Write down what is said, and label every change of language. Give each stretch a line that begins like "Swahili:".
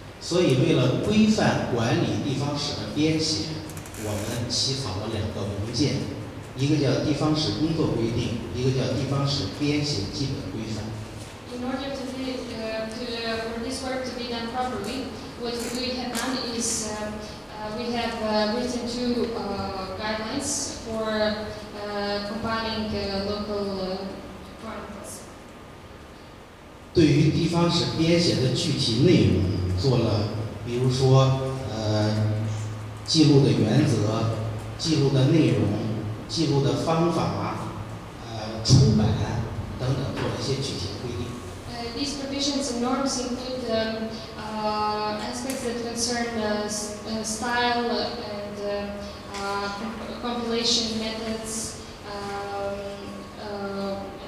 Chinese: 所以为了规范管理地方史的编写，我们起草了两个文件，一个叫地方史工作规定，一个叫地方史编写基本规范。
English: In order to be, for this work to be done properly, what we have done is we have written two guidelines for compiling local chronicles.
Chinese: 对于地方史编写的具体内容，做了，比如说，记录的原则、记录的内容、记录的方法、出版等等，做了一些具体的规定。
English: These provisions and norms include aspects that concern style and compilation methods and